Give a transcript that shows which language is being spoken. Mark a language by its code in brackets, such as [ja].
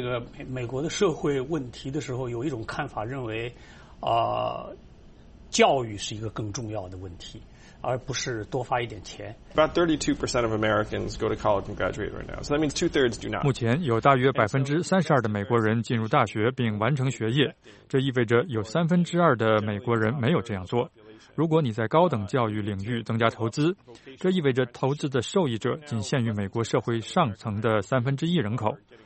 [zh] 个美国的社会问题的时候，有一种看法认为，教育是一个更重要的问题，而不是多发一点钱。 [en] About 32% of Americans go to college and graduate right now, so that means two-thirds do not. [zh] 目前有大约32%的美国人进入大学并完成学业，这意味着有2/3的美国人没有这样做。如果你在高等教育领域增加投资，这意味着投资的受益者仅限于美国社会上层的1/3人口。